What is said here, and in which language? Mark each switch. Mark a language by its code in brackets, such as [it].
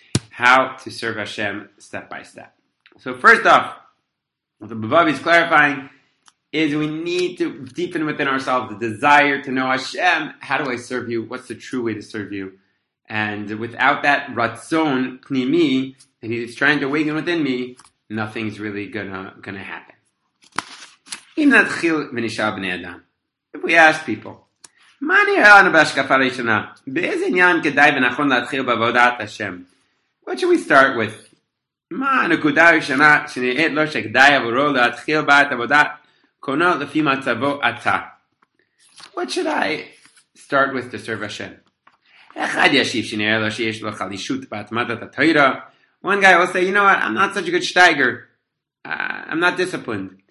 [en] How to serve Hashem step by step. So first off, what the Bavavi is clarifying is we need to deepen within ourselves the desire to know Hashem, how do I serve you? What's the true way to serve you? And without that ratzon, pnimi, that he's trying to awaken within me, nothing's really gonna happen. [he] אם נתחיל ונשאר בני אדם. [en] If we ask people, [he] מה נראה לנו בהשקפה הראשונה? באיזה עניין כדאי ונכון להתחיל בעבודת השם? [en] What should we start with? [he] מה הנקודה הראשונה שנראית לו שכדאי עבורו להתחיל בה את עבודת קונו לפי מצבו עתה? [en] What should I start with to serve Hashem? [he] אחד ישיב שנראה לו שיש לו חלישות בהתמדת התורה. [en] One guy will say, you know what, I'm not such a good steiger. I'm not disciplined.